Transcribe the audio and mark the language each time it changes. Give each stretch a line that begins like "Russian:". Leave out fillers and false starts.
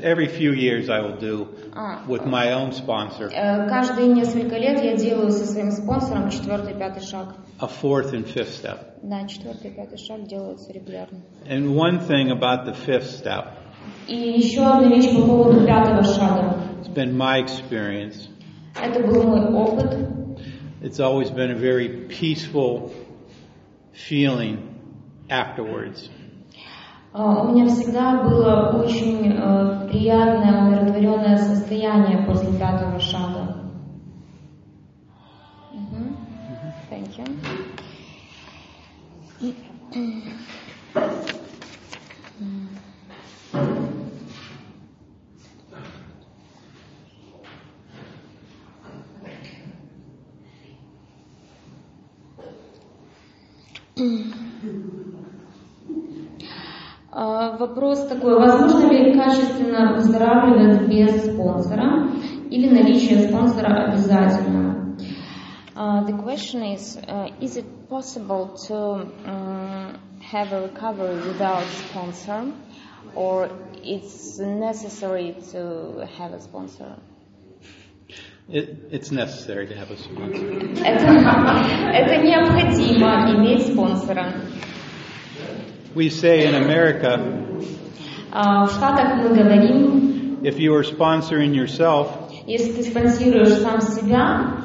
English: Every few years I will do with my own sponsor.
Russian: Каждые несколько лет я делаю со своим спонсором четвертый, пятый шаг.
English: A fourth and fifth step.
Russian: Да, четвертый, пятый шаг делаются регулярно.
English: And one thing about the fifth step.
Russian: И еще одна вещь по поводу пятого шага.
English: It's been my experience.
Russian: Это был мой опыт.
English: It's always been a very peaceful feeling afterwards.
Russian: У меня всегда было очень приятное, умиротворенное состояние после пятого шага.
English: Thank you.
Russian: Вопрос такой, возможно ли качественно выздоравливать без спонсора или наличие спонсора обязательно?
English: The question is it possible to have a recovery without sponsor, or it's necessary to have a sponsor? It's necessary to have a sponsor.
Russian: Это необходимо иметь спонсора.
English: We say in America,
Russian: в Штатах мы говорим,
English: if you are sponsoring yourself,
Russian: если ты спонсируешь сам себя,